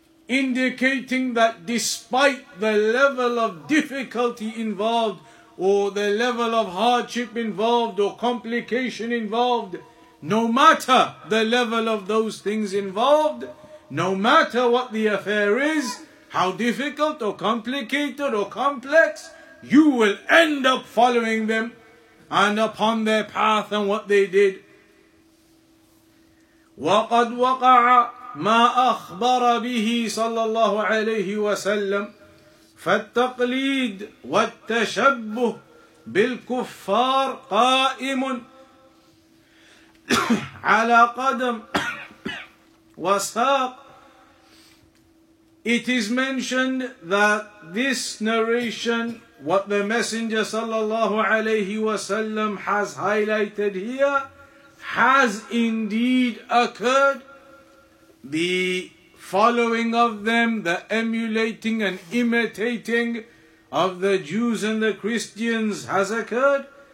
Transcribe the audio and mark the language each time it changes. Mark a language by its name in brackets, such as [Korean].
[English] Indicating that despite the level of difficulty involved, or the level of hardship involved, or complication involved, no matter the level of those things involved, no matter what the affair is, how difficult or complicated or complex, you will end up following them and upon their path and what they did. [Arabic] وَقَدْ وَقَعَ مَا أَخْبَرَ بِهِ صَلَّى اللَّهُ عَلَيْهِ وَسَلَّمْ فالتقليد والتشبه بالكفار قائم على قدم وساق. [English] It is mentioned that this narration, what the Messenger sallallahu alayhi wasallam has highlighted here, has indeed occurred. The following of them, the emulating and imitating of the Jews and the Christians has occurred.